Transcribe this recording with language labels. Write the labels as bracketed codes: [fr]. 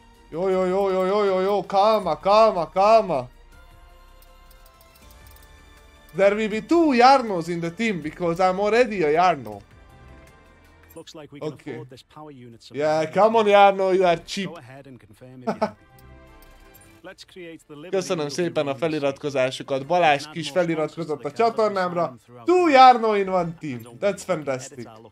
[hu] Jó, kalma. [en] There will be two Jarnos in the team because I'm already a Jarno. Looks like we can okay. Afford this power unit supply. Yeah, come on Jarno, you are cheap. Go ahead and confirm if [hu] Köszönöm szépen a feliratkozásokat, Balázs kis feliratkozott a csatornámra. [en] Two Járnó in one team, that's fantastic.